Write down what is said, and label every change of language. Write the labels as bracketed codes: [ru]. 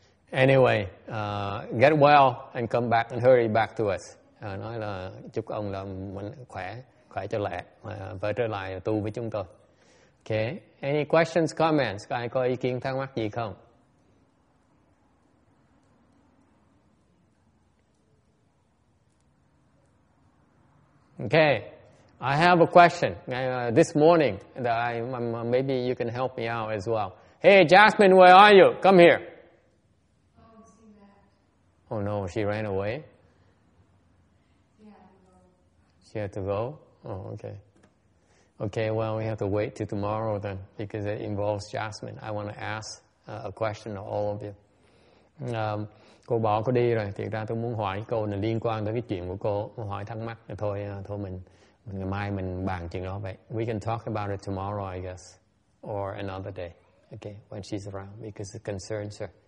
[en] Anyway, get well and come back and hurry back to us. [vi] Nói là chúc ông là khỏe cho lẹ và trở lại tu với chúng tôi. Okay. [en] Any questions, comments? [vi] Ai có ý kiến thắc mắc gì không? [en] Okay, I have a question. This morning, that maybe you can help me out as well. Hey, Jasmine, where are you? Come here. Oh no, she ran away. She had to go. Oh, okay. Okay, well, we have to wait till tomorrow then, because it involves Jasmine. I want to ask a question to all of you. [vi] Cô bỏ cô đi rồi, thiệt ra tôi muốn hỏi cô này liên quan tới cái chuyện của cô, muốn hỏi thắc mắc thì thôi mình ngày mai mình bàn chuyện đó vậy. [en] We can talk about it tomorrow, I guess, or another day, okay, when she's around, because it concerns her.